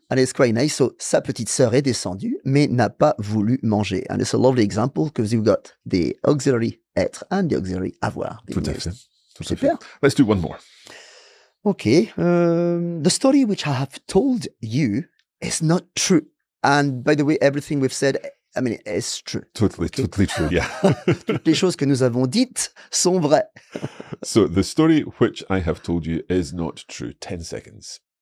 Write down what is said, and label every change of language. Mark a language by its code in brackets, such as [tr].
[en] And it's quite nice. So, [fr] sa petite sœur est descendue, mais n'a pas voulu manger. [en] And it's a lovely example because you've got the auxiliary être and the auxiliary avoir. [fr] Tout à fait. Super. [en] Let's do one more. Okay. The story which I have told you is not true. And by the way, everything we've said... I mean, it's true. Totally, okay. Totally true, yeah. [fr] Toutes les choses que nous avons dites sont vraies. [en] So, the story which I have told you is not true. 10 seconds.